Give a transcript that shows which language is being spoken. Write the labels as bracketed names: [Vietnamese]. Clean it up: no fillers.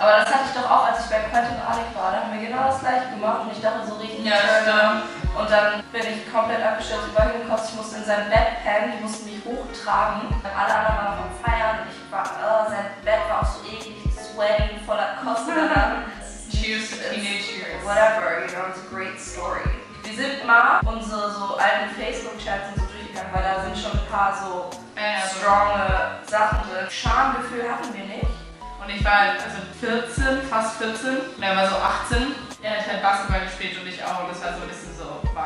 [German] Aber das hatte ich doch auch, als ich bei Quentin Alec war. Da haben wir genau das gleiche gemacht. Und ich dachte so richtig, ja, stimmt. Und dann bin ich komplett abgestürzt, übergekotzt. Ich musste in sein Bett pennen, die mussten mich hochtragen. Alle anderen waren vom Feiern. Ich war, sein Bett war auch so eklig, sweaty, voller Kosten. [English] Cheers to teenagers. Whatever, you know, it's a great story. [German] Wir sind mal unsere so alten Facebook-Chats und so durchgegangen, weil da sind schon ein paar so stronge Sachen drin. Schamgefühl hatten wir nicht. Und ich war also 14, fast 14. Und er war so 18. Ja, ich hatte Basketball gespielt und ich auch. Und das war so ein bisschen so.